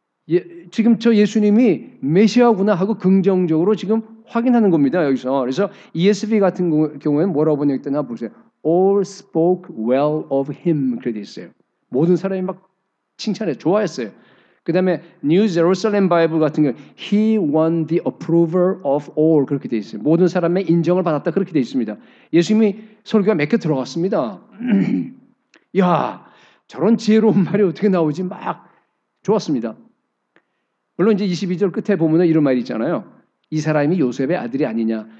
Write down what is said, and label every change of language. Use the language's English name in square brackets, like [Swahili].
[Korean] 예, 지금 저 예수님이 메시아구나 하고 긍정적으로 지금 확인하는 겁니다. 여기서 그래서 ESV 같은 경우에는 뭐라고 번역되나 보세요. [English] All spoke well of him. [Korean] 그래 돼 있어요. 모든 사람이 막 칭찬해 좋아했어요. 그 다음에 [English] New Jerusalem Bible [Korean] 같은 경우 [English] He won the approval of all. [Korean] 그렇게 돼 있어요. 모든 사람의 인정을 받았다. 그렇게 돼 있습니다. 예수님이 설교가 몇 개 들어갔습니다. 야 저런 지혜로운 말이 어떻게 나오지 막 좋았습니다. 물론 이제 22절 끝에 보면은 이런 말이 있잖아요. 이 사람이 요셉의 아들이 아니냐.